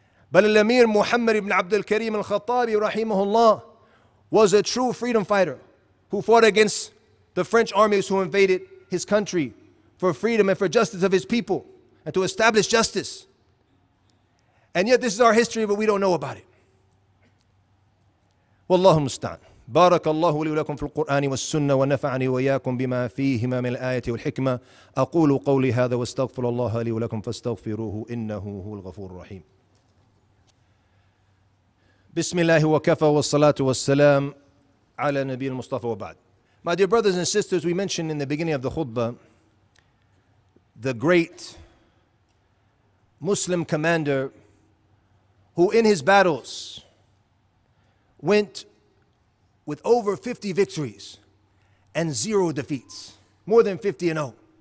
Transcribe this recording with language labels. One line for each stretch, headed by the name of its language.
English: But Al-Amir Muhammad ibn Abdul Karim al-Khattabi rahimahullah was a true freedom fighter who fought against the French armies who invaded his country for freedom and for justice of his people and to establish justice. And yet this is our history, but we don't know about it.
Arabic: Wallahu musta'an. بارك الله لي ولكم في القرآن والسنة ونفعني وياكم بما فيهما من الآية والحكمة أقول قولي هذا واستغفر الله لي ولكم فاستغفروه إنه هو الغفور الرحيم بسم الله وكفى والصلاة والسلام على نبي المصطفى وبعد.
English: My dear brothers and sisters, we mentioned in the beginning of the khutbah the great Muslim commander who in his battles went with over 50 victories and zero defeats, more than 50-0.